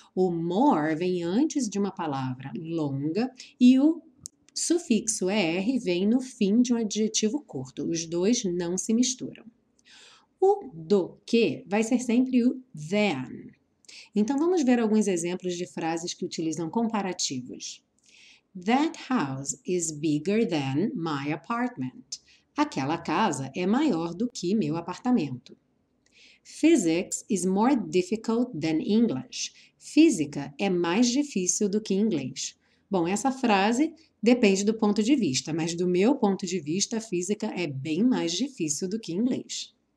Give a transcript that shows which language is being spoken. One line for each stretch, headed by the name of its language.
Portuguese: O more vem antes de uma palavra longa e o sufixo er vem no fim de um adjetivo curto. Os dois não se misturam. O do que vai ser sempre o than. Então vamos ver alguns exemplos de frases que utilizam comparativos.
English: That house is bigger than my apartment.
Portuguese: Aquela casa é maior do que meu apartamento.
English: Physics is more difficult than English.
Portuguese: Física é mais difícil do que inglês. Bom, essa frase depende do ponto de vista, mas do meu ponto de vista, física é bem mais difícil do que inglês.